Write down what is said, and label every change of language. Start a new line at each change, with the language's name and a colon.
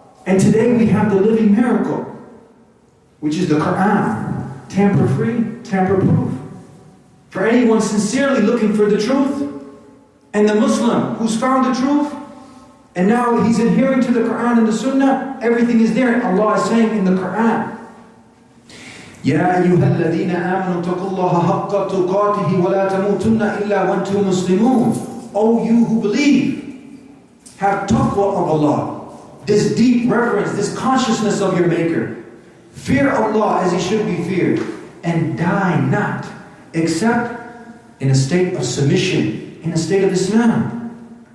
English: And today we have the living miracle, which is the Quran, tamper-free, tamper-proof. For anyone sincerely looking for the truth, and the Muslim who's found the truth, and now he's adhering to the Quran and the Sunnah, everything is there. Allah is saying in the Quran,
Arabic: يَا أَيُّهَا الَّذِينَ آمَنُوا تَقُوا اللَّهَ حَقَّ تُقَاتِهِ وَلَا تَمُوتُنَّ إِلَّا وَأَنْتُمْ مُسْلِمُونَ.
English: O you who believe, have taqwa of Allah, this deep reverence, this consciousness of your Maker. Fear Allah as He should be feared, and die not except in a state of submission, in a state of Islam.